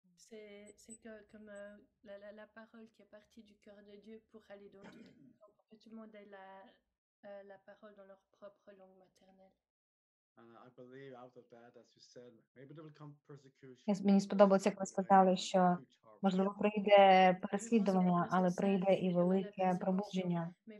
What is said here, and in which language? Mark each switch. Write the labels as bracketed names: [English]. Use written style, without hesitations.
[French] C'est comme la parole qui est partie du cœur de Dieu pour aller dans tout le monde et la parole dans leur propre langue maternelle. [English] And I believe out of that, as you said, maybe there will come persecution. [Ukrainian] Yes, мені сподобалося, як ви сказали, що можливо прийде переслідування, але прийде і велике пробудження.